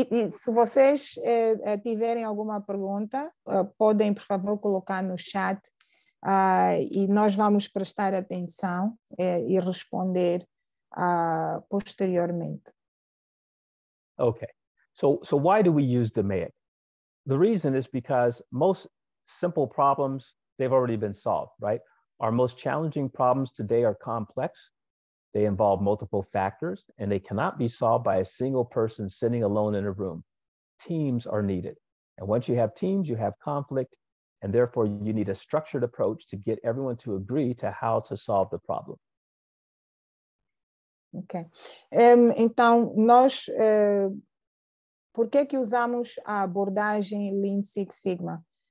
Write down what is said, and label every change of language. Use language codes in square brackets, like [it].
[pt] Se vocês tiverem alguma pergunta, podem, por favor, colocar no chat e nós vamos prestar atenção e responder posteriormente. [en] Okay. So why do we use DMAIC? The reason is because most simple problems, they've already been solved, right? Our most challenging problems today are complex. They involve multiple factors, and they cannot be solved by a single person sitting alone in a room. Teams are needed. And once you have teams, you have conflict, and therefore you need a structured approach to get everyone to agree to how to solve the problem. Ok. [pt] Então, nós, por que que usamos a abordagem Lean Six Sigma?